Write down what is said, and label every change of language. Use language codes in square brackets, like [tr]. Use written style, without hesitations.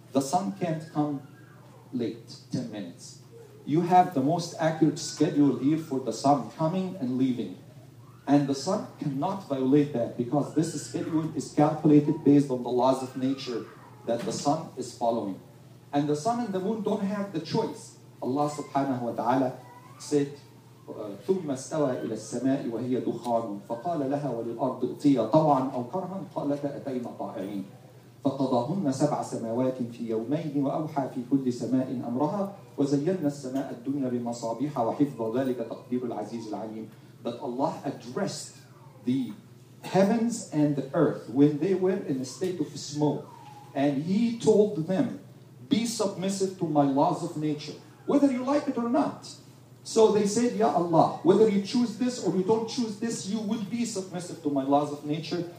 [en] The sun can't come late, 10 minutes. You have the most accurate schedule here for the sun coming and leaving. And the sun cannot violate that, because this schedule is calculated based on the laws of nature that the sun is following. And the sun and the moon don't have the choice. Allah subhanahu wa ta'ala said, [ar] ثم استوى إلى السماء وهي دخان فقال لها وللأرض ائتيا طوعا أو كرها قالت أتينا طائعين فقضاهن سبع سماوات في يومين وأوحى في كل سماء أمرها وزينا السماء الدنيا بمصابيح وحفظ ذلك تقدير العزيز العليم. [en] But Allah addressed the heavens and the earth when they were in a state of smoke. And He told them, be submissive to my laws of nature, whether you like it or not. So they said, Ya Allah, whether you choose this or you don't choose this, you will be submissive to my laws of nature.